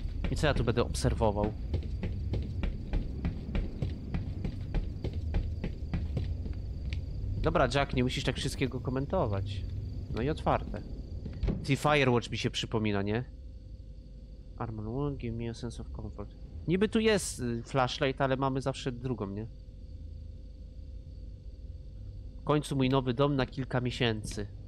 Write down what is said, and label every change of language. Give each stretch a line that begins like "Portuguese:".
Polish: I co ja tu będę obserwował? Dobra, Jack, nie musisz tak wszystkiego komentować. No i otwarte. Ty Firewatch mi się przypomina, nie?
English: Armor won't give me a sense of comfort.
Polish: Niby tu jest flashlight, ale mamy zawsze drugą, nie? W końcu mój nowy dom na kilka miesięcy.